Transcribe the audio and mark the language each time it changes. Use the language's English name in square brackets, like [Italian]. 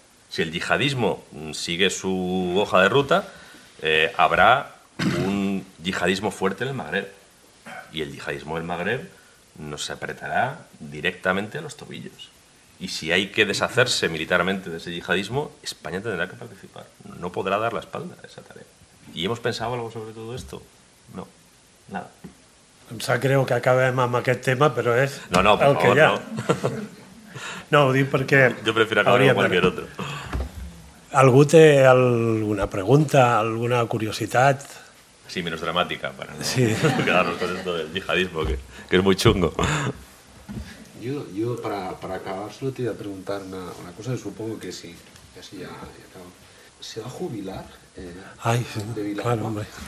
[Spanish] Si el yihadismo sigue su hoja de ruta, habrá un yihadismo fuerte en el Magreb. Y el yihadismo del Magreb nos apretará directamente a los tobillos. Y si hay que deshacerse militarmente de ese yihadismo, España tendrá que participar. No podrá dar la espalda a esa tarea. ¿Y hemos pensado algo sobre todo esto? No. Nada. [Catalan] Em sap greu que acabem amb aquest tema, però és... No, per favor, no. No, ho dic perquè... Jo prefiro acabar amb qualsevol altre. Algú té alguna pregunta, alguna curiositat? Sí, menys dramàtica, para no sí. [Spanish] quedar-nos con esto del yihadismo, que es muy chungo. Yo para acabar, solo te voy a preguntar una cosa, supongo que sí, que así ya acabo. ¿Se va a jubilar? Ay, sí, de Vilar, claro, hombre.